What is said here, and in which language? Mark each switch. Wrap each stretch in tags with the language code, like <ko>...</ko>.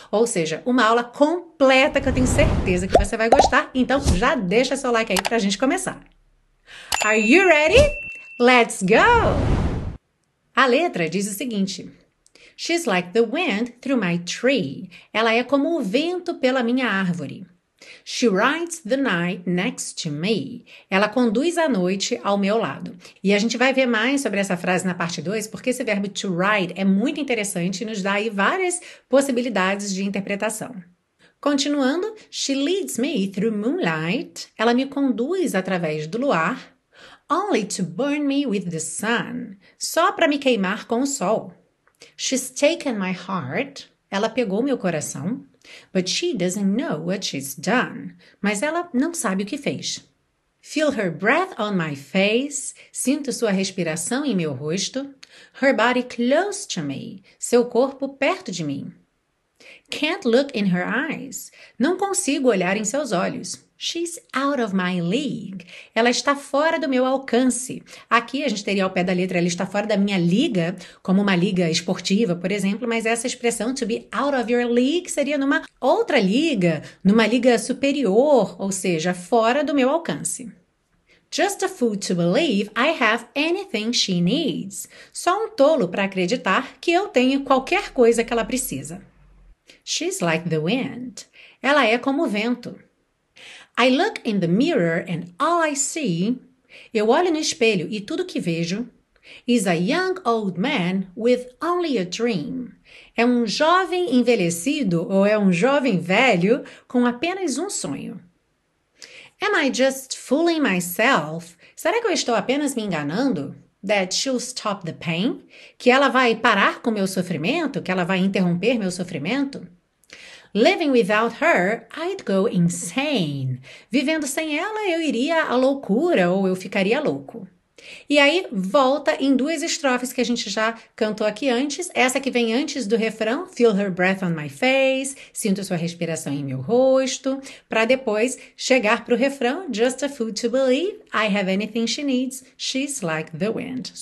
<pt>Ou seja, uma aula completa que eu tenho certeza que você vai gostar. Então, já deixa seu like aí pra gente começar.</pt> <en>Are you ready? Let's go!</en> <pt>A letra diz o seguinte:</pt> <en>She's like the wind through my tree.</en> <pt>Ela é como o vento pela minha árvore.</pt> <en>She rides the night next to me.</en> <pt>Ela conduz a noite ao meu lado. E a gente vai ver mais sobre essa frase na parte 2, porque esse verbo to ride é muito interessante e nos dá aí várias possibilidades de interpretação.</pt> <en>Continuando, she leads me through moonlight.</en> <pt>Ela me conduz através do luar.</pt> <en>Only to burn me with the sun.</en> <pt>Só para me queimar com o sol.</pt> <en>She's taken my heart,</en> <pt>ela pegou meu coração,</pt> <en>but she doesn't know what she's done,</en> <pt>mas ela não sabe o que fez.</pt> <en>Feel her breath on my face.</en> <pt>Sinto sua respiração em meu rosto.</pt> <en>Her body close to me.</en> <pt>Seu corpo perto de mim.</pt> <en>Can't look in her eyes.</en> <pt>Não consigo olhar em seus olhos.</pt> <en>She's out of my league.</en> <pt>Ela está fora do meu alcance. Aqui a gente teria ao pé da letra, ela está fora da minha liga, como uma liga esportiva, por exemplo, mas essa expressão</pt> <en>to be out of your league</en> <pt>seria numa outra liga, numa liga superior, ou seja, fora do meu alcance.</pt> <en>Just a fool to believe I have anything she needs.</en> <pt>Só um tolo para acreditar que eu tenho qualquer coisa que ela precisa.</pt> <en>She's like the wind.</en> <pt>Ela é como o vento.</pt> <en>I look in the mirror and all I see,</en> <pt>eu olho no espelho e tudo que vejo,</pt> <en>is a young old man with only a dream.</en> <pt>É um jovem envelhecido ou é um jovem velho com apenas um sonho.</pt> <en>Am I just fooling myself?</en> <pt>Será que eu estou apenas me enganando?</pt> <en>That she'll stop the pain?</en> <pt>Que ela vai parar com meu sofrimento? Que ela vai interromper meu sofrimento?</pt> <en>Living without her, I'd go insane.</en> <pt>Vivendo sem ela, eu iria à loucura ou eu ficaria louco. E aí, volta em duas estrofes que a gente já cantou aqui antes. Essa que vem antes do refrão,</pt> <en>feel her breath on my face,</en> <pt>sinto sua respiração em meu rosto, para depois chegar para o refrão,</pt> <en>just a fool to believe I have anything she needs, she's like the wind.</en>